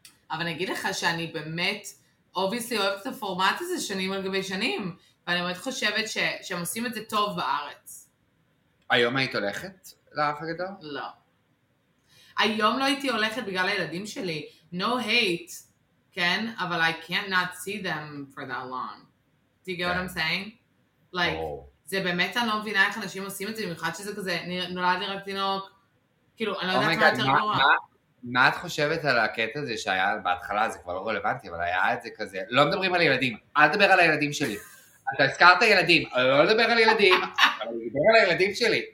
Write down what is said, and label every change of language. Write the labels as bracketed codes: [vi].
[he] אבל אני אגיד לך שאני באמת, [en] obviously, [he] אוהבת את הפורמט הזה שנים על גבי שנים, ואני באמת חושבת שהם עושים את זה טוב בארץ. היום היית הולכת לאח הגדול? לא. היום לא הייתי הולכת בגלל הילדים שלי. [en] No hate, [he] כן? אבל [en] I cannot see them for that long. Do you get what I'm saying? Like, [he] זה באמת אני לא מבינה איך אנשים עושים את זה, במיוחד שזה כזה, נולד לי רק תינוק, כאילו, אני לא יודעת מה יותר גרוע. מה את חושבת על הקטע הזה שהיה בהתחלה, זה כבר לא רלוונטי, אבל היה את זה כזה, לא מדברים על ילדים, אל תדבר על הילדים שלי. אתה הזכרת ילדים, לא לדבר על ילדים, אבל הוא דיבר על הילדים שלי.